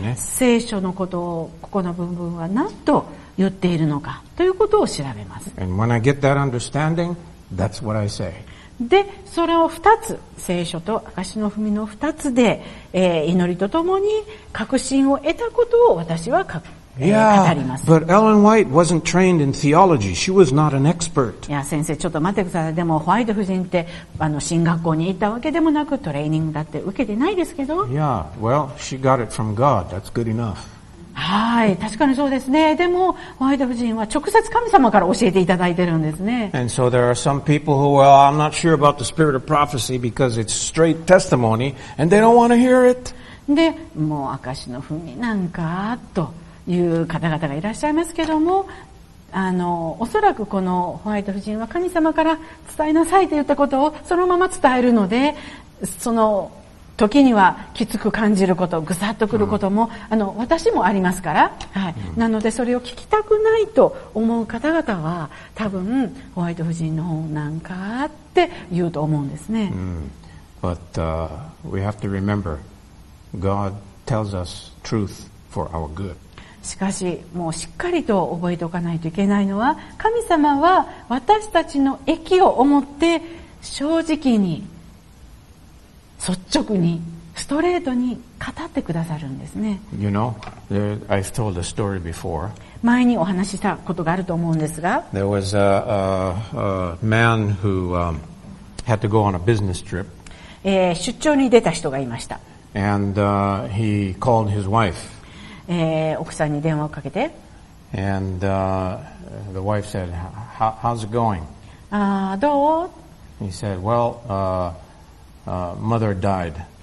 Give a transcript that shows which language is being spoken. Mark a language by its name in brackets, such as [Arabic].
[Japanese] この、はい、聖書のことをここの部分は何と言っているのかということを調べます。 [English] And when I get that understanding, that's what I say. [Japanese] でそれを2つ聖書と証の文の2つで、祈りとともに確信を得たことを私は語ります。 [English] But Ellen White wasn't trained in theology. She was not an expert. [Japanese] いや先生ちょっと待ってください。でもホワイト夫人って神学校に行ったわけでもなくトレーニングだって受けてないですけど。 [English] Yeah, well, she got it from God. That's good enough. [Japanese] はい、確かにそうですね。でもホワイト夫人は直接神様から教えていただいてるんですね。 [English] And so there are some people who, well, I'm not sure about the spirit of prophecy because it's straight testimony and they don't want to hear it. [Japanese] で、もう証の文なんかという方々がいらっしゃいますけども、おそらくこのホワイト夫人は神様から伝えなさいと言ったことをそのまま伝えるので、その時にはきつく感じること、ぐさっとくることも、私もありますから、はい。なので、それを聞きたくないと思う方々は、多分、ホワイト夫人の方なんかって言うと思うんですね。 [English] But, we have to remember, God tells us truth for our good. [Japanese] しかし、もうしっかりと覚えておかないといけないのは、神様は私たちの益を思って、正直に、率直にストレートに語ってくださるんですね。 [English] You know, there, I've told a story before. [Japanese] 前にお話ししたことがあると思うんですが、 [English] There was a man who had to go on a business trip. [Japanese] 出張に出た人がいました。 [English] And he called his wife. [Japanese] 奥さんに電話をかけて、 [English] And the wife said, How's it going? [Japanese] どう? [English] He said, Well, mother died.